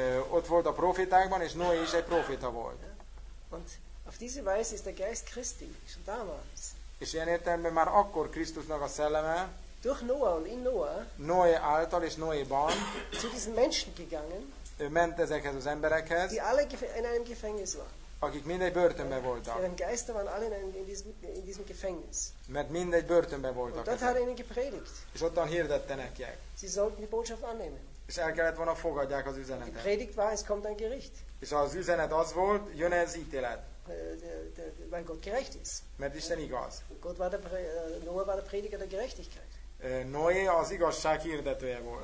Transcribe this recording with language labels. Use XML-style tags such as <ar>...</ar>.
<hu>Ott volt a profétákban, és Noé is egy proféta volt.</hu> <de>Und auf diese Weise ist der Geist Christi schon damals.</de> <hu>És ilyen értelemben már akkor Krisztusnak a szelleme</hu> <de>durch Noah und in Noah</de> <hu>Noé által és Noéban</hu> <de>zu diesen Menschen gegangen.</de> <hu>Ő ment ezekhez az emberekhez,</hu> <de>die alle in einem Gefängnis war.</de> <hu>Akik mind egy börtönben voltak.</hu> <de>Deren Geister waren alle in diesem Gefängnis.</de> <hu>Mert mind egy börtönben voltak.</hu> <de>Und dort hat er ihnen gepredigt.</de> <hu>És ottan hirdette nekik.</hu> <de>Sie sollten die Botschaft annehmen.</de> <hu>És el kellett volna fogadják az üzenetet.</hu> <de>Die Predigt war, es kommt ein Gericht.</de> <hu>És az üzenet az volt, jön ez ítélet.</hu> <de>Weil Gott gerecht ist.</de> <hu>Mert Isten igaz.</hu> <de>Gott war Noah war der Prediger der Gerechtigkeit.</de> <hu>Noé az igazság hirdetője volt.</hu>